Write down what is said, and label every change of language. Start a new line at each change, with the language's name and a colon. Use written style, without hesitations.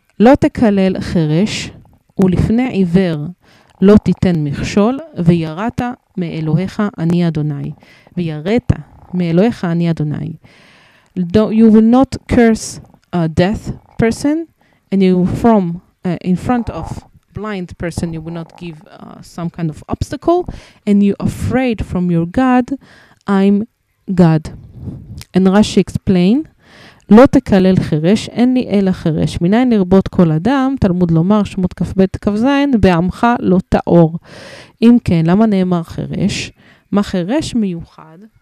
Hebrew: לא תקלל חרש ולפני עיוור לא תיתן מכשול ויראת מאלוהיך אני אדוני ויראת מאלוהיך אני אדוני.
English: You will not curse a deaf person and you from in front of blind person you will not give some kind of obstacle and you afraid from your God. I'm God. And Rashi explained,
Hebrew: לא תקלל חרש, אין לי אלא חרש. מניין לרבות כל אדם, תלמוד לומר, שמות כף בית כף זין, בעמך לא תאור. אם כן, למה נאמר חרש? מה חרש מיוחד?